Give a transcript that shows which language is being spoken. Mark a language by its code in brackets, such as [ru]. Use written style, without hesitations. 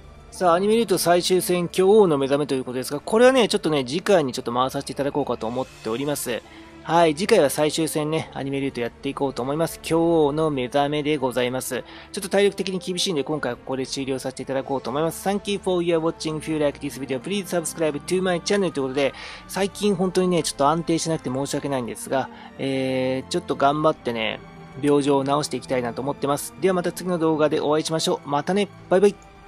[ja] さあ、アニメで言うと最終戦、巨王の目覚めということですが、これはね、ちょっとね、次回にちょっと回させていただこうかと思っております。はい、次回は最終戦ね、アニメで言うとやっていこうと思います。巨王の目覚めでございます。ちょっと体力的に厳しいんで、今回はここで終了させていただこうと思います。 [en] Thank you for your watching. If you like this video, please subscribe to my channel. [ja] ということで、最近本当にね、ちょっと安定しなくて申し訳ないんですが、ちょっと頑張ってね、病状を治していきたいなと思ってます。ではまた次の動画でお会いしましょう。またね、バイバイ。